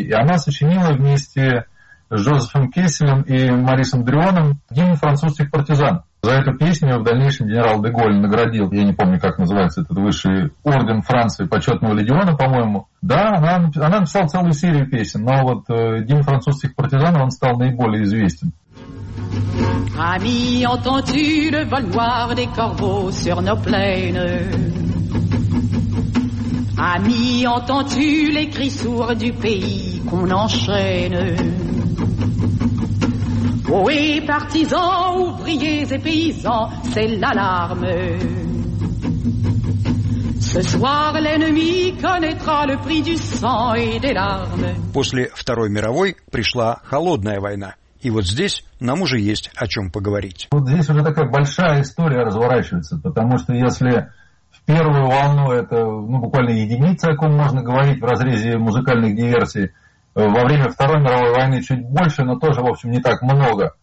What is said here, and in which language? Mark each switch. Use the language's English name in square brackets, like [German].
[Russian] И она сочинила вместе с Жозефом Кесселем и Марисом Дрюоном гимн французских партизан. За эту песню в дальнейшем генерал де Голль наградил, я не помню, как называется этот высший орден Франции, почетного легиона, по-моему. Да, она написала целую серию песен, но вот гимн французских партизан, он стал наиболее известен. [French] Amis, entends-tu le vol noir des corbeaux sur nos plaines? Amis, entends-tu les cris sourds du pays qu'on enchaîne? Oui, partisans, ouvriers et paysans, c'est l'alarme. Ce soir, l'ennemi connaîtra le prix du sang et des larmes. [Russian] После Второй мировой пришла холодная война. И вот здесь нам уже есть о чем поговорить. Вот здесь уже такая большая история разворачивается, потому что если в первую волну это буквально единицы, о ком можно говорить в разрезе музыкальных диверсий, во время Второй мировой войны чуть больше, но тоже, в общем, не так много.